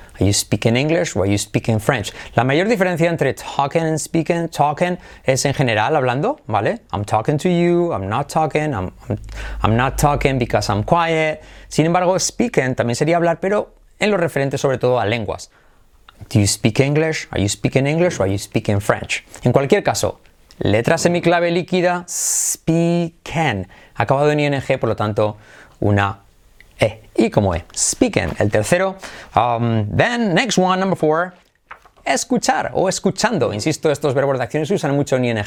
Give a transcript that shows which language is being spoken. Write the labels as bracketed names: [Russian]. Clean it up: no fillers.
[English] Are you speaking English or are you speaking French? [Spanish] La mayor diferencia entre talking and speaking, talking es en general hablando, ¿vale? [English] I'm talking to you, I'm not talking, I'm not talking because I'm quiet. [Spanish] Sin embargo, speaking también sería hablar, pero en lo referente sobre todo a lenguas. [English] Do you speak English? Are you speaking English or are you speaking French? [Spanish] En cualquier caso, letra semiclave líquida, speaking. Acabado en ING, por lo tanto, una E. y como E. Speaking, el tercero. [English] Then, next one, number four. [Spanish] Escuchar o escuchando. Insisto, estos verbos de acción se usan mucho en ING.